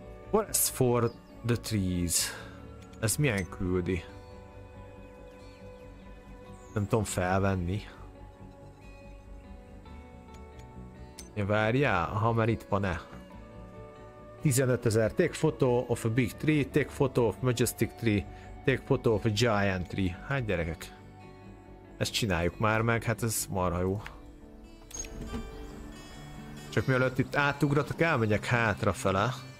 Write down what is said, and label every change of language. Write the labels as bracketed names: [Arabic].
[English] Forest for the trees. [Hungarian] Ez milyen küldi? Nem tudom felvenni. Ja, várjál, ha már itt van-e. 15 000. [English] Take photo of a big tree, take photo of majestic tree, take photo of a giant tree. [Hungarian] Hát gyerekek. Ezt csináljuk már meg, hát ez marha jó. Csak mielőtt itt átugratok, elmegyek hátrafele.